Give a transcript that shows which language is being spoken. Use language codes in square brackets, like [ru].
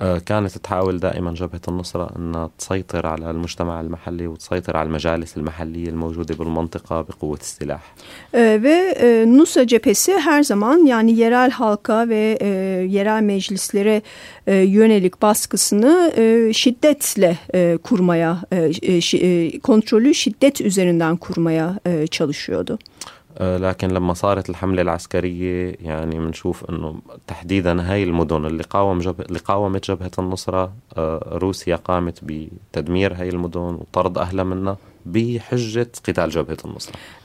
[ar] كانت تحاول دائما جبهة النصرة أن تسيطر على المجتمع المحلي وتسيطر على المجالس المحلية الموجودة بالمنطقة بقوة السلاح. [tr] Ve Nusra cephesi her zaman yani yerel halka ve yerel meclislere yönelik baskısını şiddetle kurmaya kontrolü şiddet üzerinden kurmaya çalışıyordu. [ar] لكن لما صارت الحملة العسكرية يعني منشوف أنه تحديدا هاي المدن اللي قاومت جبهة النصرة روسيا قامت بتدمير هاي المدن وطرد أهلها منها بحجة قتال جبهة النصرة.